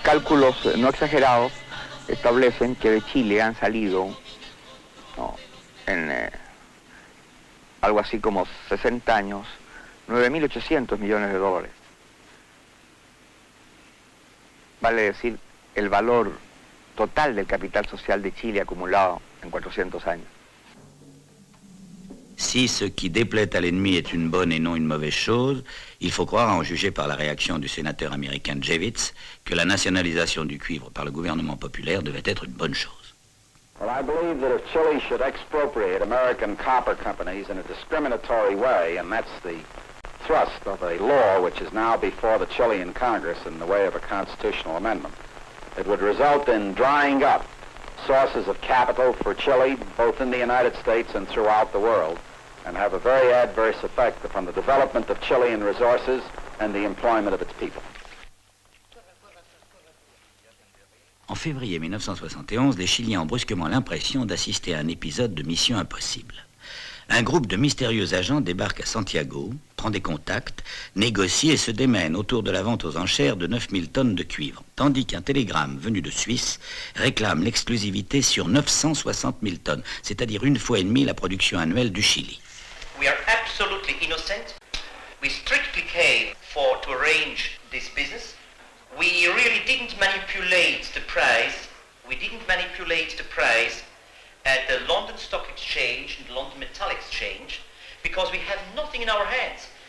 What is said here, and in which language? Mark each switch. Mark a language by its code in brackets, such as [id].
[es] Cálculos no exagerados establecen que de Chile han salido algo así como 60 años, 9.800 millones de dólares. Vale decir, el valor total del capital social de Chile acumulado en 400 años. [fr] Si ce qui déplaît à l'ennemi est une bonne et non une mauvaise chose, il faut croire, en juger par la réaction du sénateur américain Javits, que la nationalisation du cuivre par le gouvernement populaire devait être une bonne chose. [en] Well, I believe that if Chile should expropriate American copper companies in a discriminatory way, and that's the thrust of a law which is now before the Chilean Congress in the way of a constitutional amendment, it would result in drying up sources of capital for Chile, both in the United States and throughout the world, and have a very adverse effect upon the development of Chilean resources and the employment of its people. [fr] En février 1971, les Chiliens ont brusquement l'impression d'assister à un épisode de Mission Impossible. Un groupe de mystérieux agents débarque à Santiago, prend des contacts, négocie et se démène autour de la vente aux enchères de 9000 tonnes de cuivre, tandis qu'un télégramme venu de Suisse réclame l'exclusivité sur 960 000 tonnes, c'est-à-dire une fois et demie la production annuelle du Chili. [en] We are absolutely innocent. We strictly came for to arrange this business. We really didn't manipulate the price. We didn't manipulate the price at the London Stock Exchange and the London Metal Exchange because we have nothing in our hands.